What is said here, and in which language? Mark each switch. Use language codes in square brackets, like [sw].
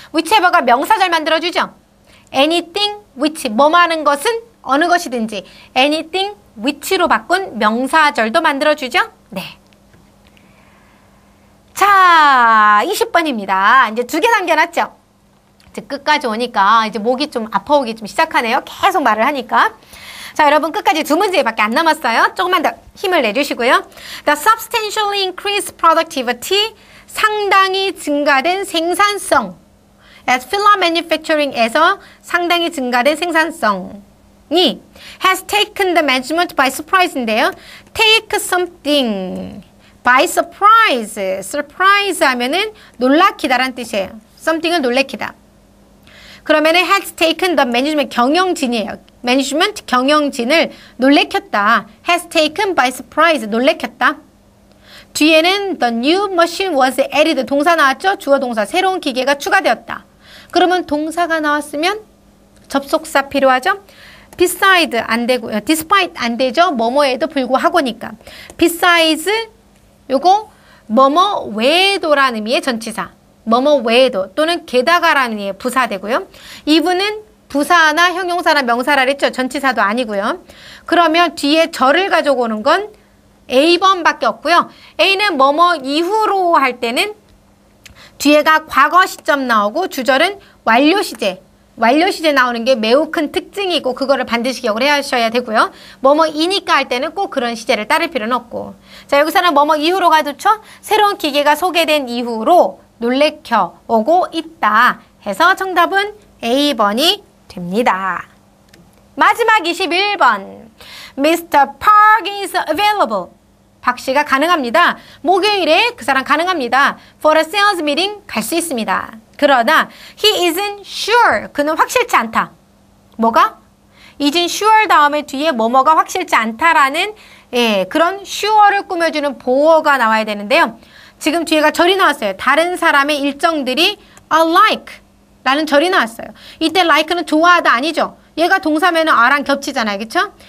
[ko] whichever가 명사절 만들어주죠. [en] anything which, [ko] 뭐뭐 하는 것은 어느 것이든지 anything which로 바꾼 명사절도 만들어주죠. 네. 자, 20번입니다. 이제 두 개 남겨놨죠. 이제 끝까지 오니까 이제 목이 좀 아파오기 좀 시작하네요. 계속 말을 하니까. 자, 여러분 끝까지 두 문제밖에 안 남았어요. 조금만 더 힘을 내주시고요. [en] The substantially increased productivity, [ko] 상당히 증가된 생산성. [en] As filament manufacturing에서 [ko] 상당히 증가된 생산성이 [en] has taken the management by surprise인데요. Take something by surprise. [ko] Surprise 하면은 놀라키다라는 뜻이에요. Something을 놀래키다. [en] 그러면은 has taken the management [ko] 경영진이에요. Management 경영진을 놀래켰다. [en] Has taken by surprise. [ko] 놀래켰다. 뒤에는 [en] the new machine was added. [ko] 동사 나왔죠? 주어 동사. 새로운 기계가 추가되었다. 그러면 동사가 나왔으면 접속사 필요하죠? Beside 안 되고요. Despite 안 되죠? 뭐뭐에도 불구하고니까. Besides 요거 뭐뭐 외에도라는 의미의 전치사. 뭐뭐 외에도 또는 게다가라는 의미의 부사 되고요. Even은 부사나 형용사나 명사라 했죠. 전치사도 아니고요. 그러면 뒤에 절을 가지고 오는 건 A번밖에 없고요. A는 뭐뭐 이후로 할 때는 뒤에가 과거 시점 나오고 주절은 완료시제. 완료시제 나오는 게 매우 큰 특징이고 그거를 반드시 기억을 하셔야 되고요. 뭐뭐 이니까 할 때는 꼭 그런 시제를 따를 필요는 없고. 자 여기서는 뭐뭐 이후로 가도 좋죠. 새로운 기계가 소개된 이후로 놀래켜 오고 있다 해서 정답은 A번이 됩니다. [en] 마지막 21번. Mr. Park is available. [ko] 박 씨가 가능합니다. 목요일에 그 사람 가능합니다. [en] For a sales meeting [ko] 갈 수 있습니다. 그러나 [en] he isn't sure. [ko] 그는 확실치 않다. 뭐가? [en] isn't sure [ko] 다음에 뒤에 뭐뭐가 확실치 않다라는 예, 그런 sure를 꾸며주는 보어가 나와야 되는데요. 지금 뒤에가 절이 나왔어요. 다른 사람의 일정들이 alike 라는 절이 나왔어요. 이때 like는 좋아하다 아니죠. 얘가 동사면 are랑 겹치잖아요. 그렇죠?